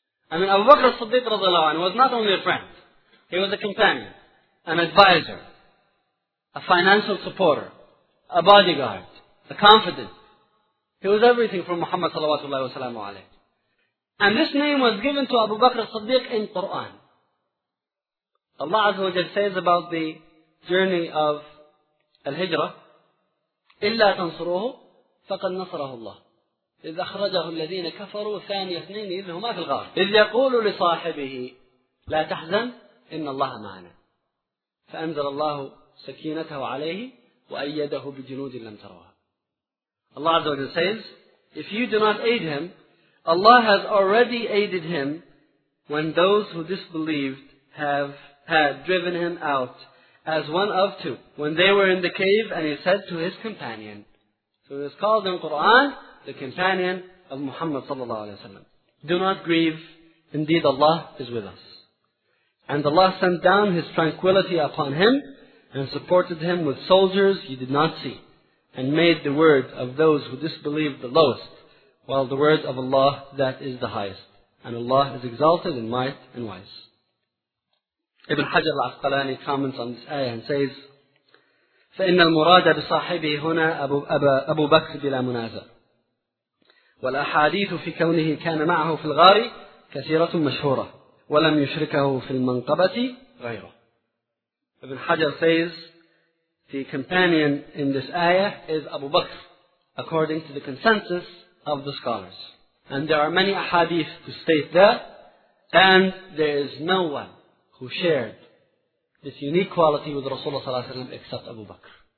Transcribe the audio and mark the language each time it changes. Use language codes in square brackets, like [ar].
[en] I mean, Abu Bakr as-Siddiq radiallahu anhu was not only a friend, he was a companion, an advisor, a financial supporter, a bodyguard, a confidant. He was everything for Muhammad sallallahu alayhi wa sallam. And this name was given to Abu Bakr as-Siddiq in Quran. Allah Azza wa Jalla says about the journey of Al-Hijrah, [ar] إِلَّا تَنْصُرُوهُ فَقَدْ نَصَرَهُ اللَّهُ إِذْ أَخْرَجَهُ الَّذِينَ كَفَرُوا ثَانِيَ اثْنَيْنِ إِذْ هُمَا فِي الْغَارِ إِذْ يَقُولُ لِصَاحِبِهِ لَا تَحْزَنْ إِنَّ اللَّهَ مَعَنَا فَأَنْزَلَ اللَّهُ سَكِينَتَهُ عَلَيْهِ وَأَيَّدَهُ بِجُنُودٍ لَمْ تَرَوْهَا. [en] Allah Azza wa Jalla says, if you do not aid him, Allah has already aided him when those who disbelieved had driven him out as one of two, when they were in the cave, and he said to his companion. So it is called in Quran, the companion of Muhammad sallallahu alayhi wa sallam. Do not grieve, indeed Allah is with us. And Allah sent down his tranquility upon him, and supported him with soldiers he did not see, and made the word of those who disbelieved the lowest, while the word of Allah that is the highest. And Allah is exalted in might and wise. Ibn Hajar al-Asqalani comments on this ayah and says, [ar] فَإِنَّ الْمُرَادَ بِصَاحِبِهِ هُنَا أَبُو بَكْرٍ بِلَا مُنَازَى وَالْأَحَادِيثُ فِي كَوْنِهِ كَانَ مَعَهُ فِي الْغَارِ كَثِيرَةٌ مَشْهُورَةٌ وَلَمْ يُشْرِكَهُ فِي الْمَنْقَبَةِ غَيْرَهُ. [en] Ibn Hajar says, the companion in this ayah is Abu Bakr, according to the consensus of the scholars. And there are many ahadith to state that, and there is no one who shared this unique quality with Rasulullah sallallahu alayhi wa sallam except Abu Bakr.